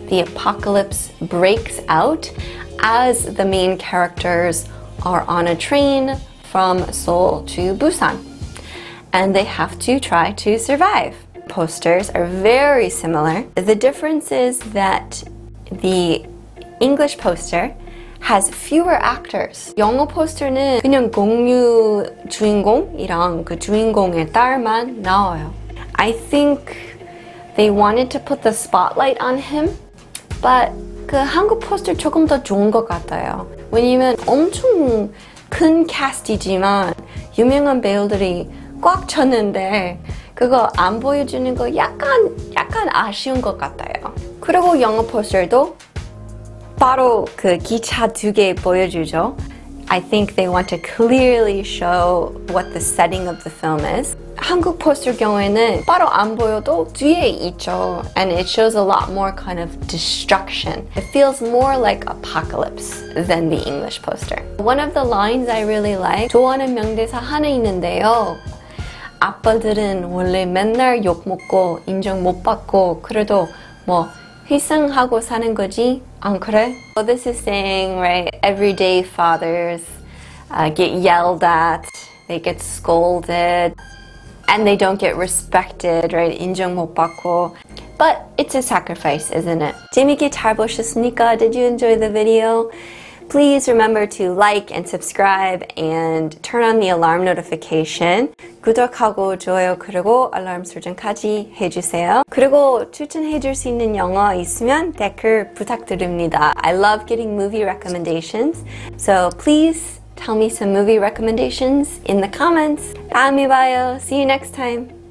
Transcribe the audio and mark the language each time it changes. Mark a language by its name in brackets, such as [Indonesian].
[English] The apocalypse breaks out as the main characters are on a train from Seoul to Busan. And they have to try to survive. Posters are very similar. The difference is that the English poster has fewer actors. [Korean] 영어 포스터는 그냥 공유 주인공이랑 그 주인공의 딸만 나와요. [English] I think they wanted to put the spotlight on him, but [Korean] 그 한국 포스터 조금 더 좋은 것 같아요. 왜냐면 엄청 큰 캐스트지만 유명한 배우들이 꽉 찼는데 그거 안 보여주는 거 약간 아쉬운 것 같아요. 그리고 영어 포스터도 바로 그 기차 두 개 보여주죠. [English] I think they want to clearly show what the setting of the film is. [Korean] 한국 포스터 경우에는 바로 안 보여도 뒤에 있죠. [English] And it shows a lot more kind of destruction. It feels more like apocalypse than the English poster. One of the lines I really like, [Korean] 좋아하는 명대사 하나 있는데요. 아빠들은 원래 맨날 욕먹고 인정 못 받고 그래도 뭐 희생하고 사는 거지. 안 그래? [English] Well, this is saying, right, everyday fathers get yelled at, they get scolded, and they don't get respected, right? [Korean] 인정 못 받고. [English] But it's a sacrifice, isn't it? [Korean] 재밌게 잘 보셨습니까? [English] Did you enjoy the video? Please remember to like and subscribe and turn on the alarm notification. [Korean] 구독하고 좋아요 그리고 알람 설정까지 해주세요. 그리고 추천해줄 수 있는 영화 있으면 댓글 부탁드립니다. [English] I love getting movie recommendations. So please tell me some movie recommendations in the comments. [Korean] 다음에 봐요. [English] See you next time.